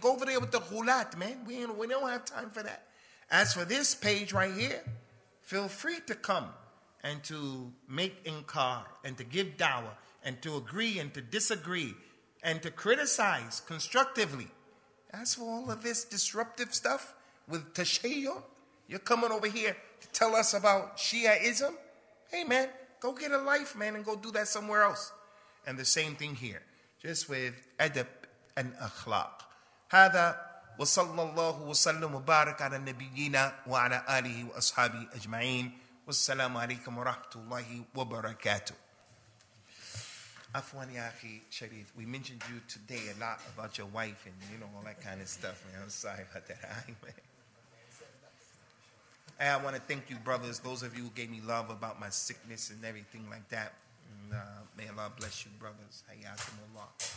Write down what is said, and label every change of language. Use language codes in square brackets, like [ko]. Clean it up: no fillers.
[en] Go over there with the ghulat, man. We don't have time for that. As for this page right here, feel free to come and to make inkar and to give dawah and to agree and to disagree and to criticize constructively. As for all of this disruptive stuff with tashayyu, you're coming over here to tell us about Shiaism? Hey, man, go get a life, man, and go do that somewhere else. And the same thing here, just with adab and akhlaq. [ar] هذا وصلى الله وسلم وبارك على نبينا وعلى آله وأصحابه أجمعين والسلام عليكم ورحمة الله وبركاته. [en] Afwan Yahi Sharif, we mentioned you today a lot about your wife and, you know, all that kind of stuff, man. I'm sorry about that. Hey, I want to thank you, brothers, those of you who gave me love about my sickness and everything like that. And, may Allah bless you, brothers. Hayyakum Allah.